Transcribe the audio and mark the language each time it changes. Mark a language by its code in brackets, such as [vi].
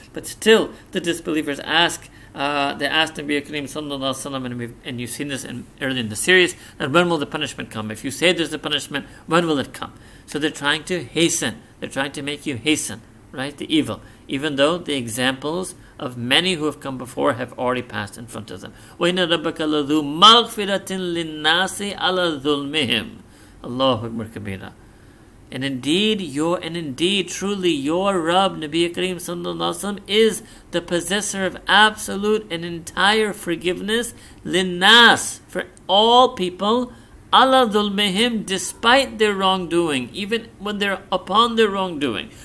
[en] But still, the disbelievers ask, they ask Nabi Kareem sallallahu alayhi wa sallam, and you've seen this early in the series, that when will the punishment come? If you say there's a punishment, when will it come? So they're trying to hasten. They're trying to make you hasten, right? The evil. Even though the examples of many who have come before have already passed in front of them. [ar] وَإِنَّ رَبَّكَ لَذُو مَغْفِرَةٍ لِلنَّاسِ عَلَى ظُلْمِهِمْ Allahu Akbar Kabira. [en] And indeed, truly, your Rabb, Nabi Kareem sallallahu alayhi wa sallam, is the possessor of absolute and entire forgiveness, linnas, for all people, ala dhulmihim, despite their wrongdoing, even when they're upon their wrongdoing.